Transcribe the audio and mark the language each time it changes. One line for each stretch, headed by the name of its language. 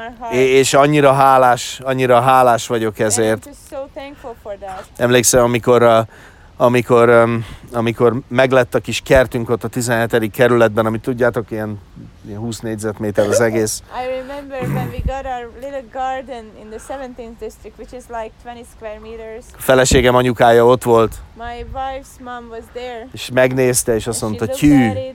Hungarian: És annyira hálás vagyok ezért. Emlékszel, amikor meglett a kis kertünk ott a 17. kerületben, amit tudjátok, ilyen 20 négyzetméter az egész.
English: I remember when we got our little garden in the 17th district, which is like 20 square meters.
Hungarian: A feleségem anyukája ott volt.
English: My wife's mom was there.
Hungarian: És megnézte, és azt mondta, tyű.